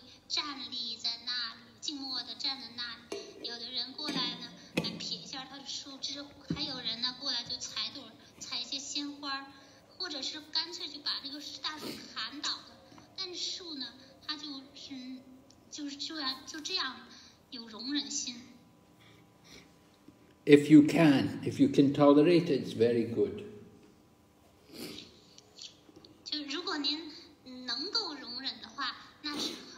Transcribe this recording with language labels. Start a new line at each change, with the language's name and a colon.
Chinese: 站立在那里，静默地站在那里。有的人过来呢，来撇一下他的树枝；还有人呢，过来就采朵，采一些鲜花，或者是干脆就把那个大树砍倒了。但是树呢，它就这样有容忍心。
English: If you can tolerate it, it's very good.
Chinese: 就如果您能够容忍的话，那是。